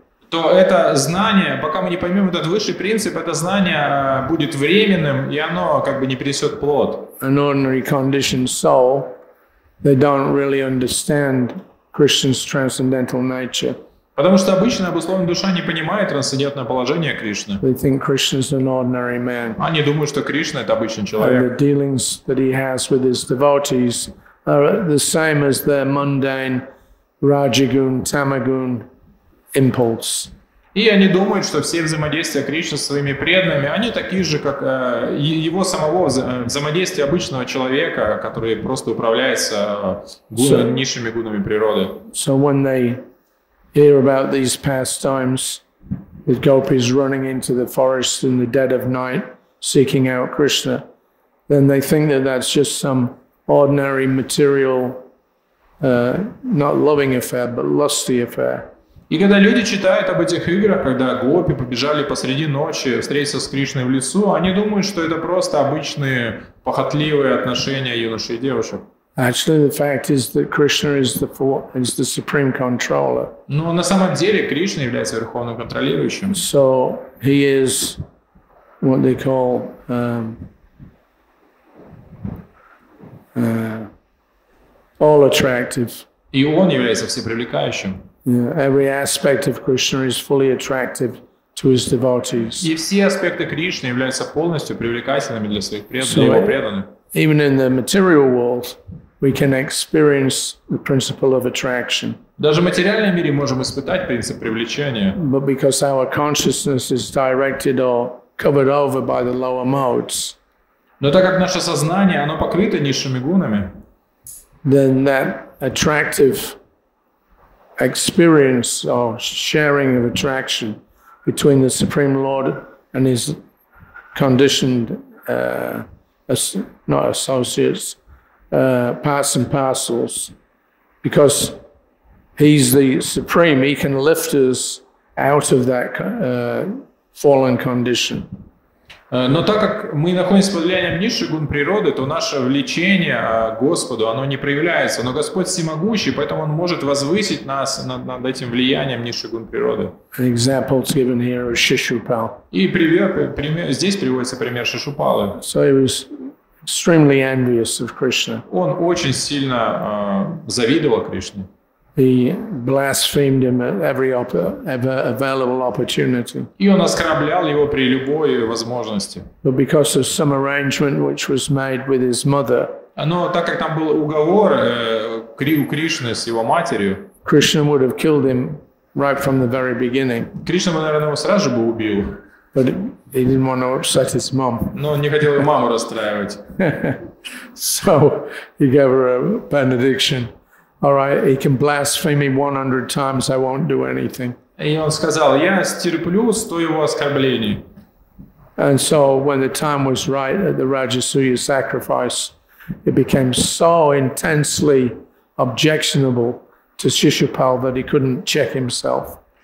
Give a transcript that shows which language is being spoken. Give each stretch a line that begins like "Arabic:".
Russian: То это знание, пока мы не поймем этот высший принцип, это знание будет временным, и оно как бы не принесет плод.
English: An ordinary conditioned soul, they don't really understand Krishna's transcendental nature.
Russian: Потому что обычная обусловленная душа не понимает трансцендентное положение Кришны.
English: They think Krishna's an ordinary man.
Russian: Они думают, что Кришна – это обычный человек.
English: And the dealings that he has with his devotees are the same as their mundane rajagun, tamagun impulse.
Russian: И они думают, что все взаимодействия Кришны со своими преданными, они такие же, как его самого взаимодействие обычного человека, который просто управляется низшими гунами природы.
English: So when they hear about these pastimes, the gopis running into the forest in the dead of night, seeking out Krishna, then they think that that's just some ordinary material, not loving affair, but lusty affair.
Russian: И когда люди читают об этих играх, когда гопи побежали посреди ночи встретиться с Кришной в лесу, они думают, что это просто обычные похотливые отношения юношей и девушек.
English: Actually, the fact is that Krishna is the supreme controller.
Russian: Но на самом деле Кришна является верховным контролирующим.
English: So he is what they call all attractive.
Russian: И он является всепривлекающим.
English: Yeah, every aspect of Krishna is fully attractive to his devotees.
Russian: И все аспекты Кришны являются полностью привлекательными для своих преданных. Для его преданных.
English: Even in the material world, we can experience the principle of attraction.
Russian: Даже в материальном мире можем испытать принцип привлечения.
English: But because our consciousness is directed or covered over by the lower modes.
Russian: Но так как наше сознание, оно покрыто низшими гунами,
English: then that attractive experience or sharing of attraction between the Supreme Lord and his conditioned not associates, parts and parcels, because he's the supreme, he can lift us out of that fallen condition.
Russian: Но так как мы находимся под влиянием низшей гун природы, то наше влечение к Господу, оно не проявляется. Но Господь всемогущий, поэтому Он может возвысить нас над этим влиянием низшей гун природы. И здесь приводится пример Шишупалы.
English: Extremely envious of Krishna.
Russian: Он очень сильно завидовал Кришне.
English: He blasphemed him at every available opportunity.
Russian: И он оскорблял его при любой возможности.
English: But because of some arrangement which was made with his mother.
Russian: Но так как там был уговор у Кришны с его матерью.
English: Krishna would have killed him right from the very beginning.
Russian: Кришна, наверное, его сразу бы убил.
English: But he didn't want to upset his mom.
Russian: Но он не хотел его маму расстраивать.
English: So he gave her a benediction. All right, he can blaspheme me 100 times, I won't do anything.
Russian: И он сказал: "Я стерплю 100 его оскорблений".
English: And so when the time was right at the Rajasuya sacrifice, it became so intensely objectionable to Shishupal that he couldn't check himself.